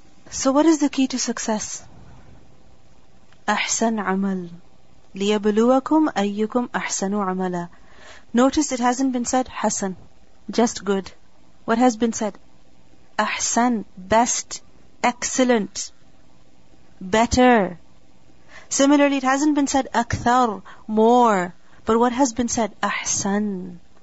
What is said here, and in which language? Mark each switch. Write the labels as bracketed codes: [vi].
[en] So what is the key to success? [ar] أحسن عمل ليبلوكم أيكم أحسن عملا. [en] Notice it hasn't been said حسن, just good. What has been said? أحسن, best, excellent, better. Similarly, it hasn't been said أكثر, more. But what has been said? أحسن.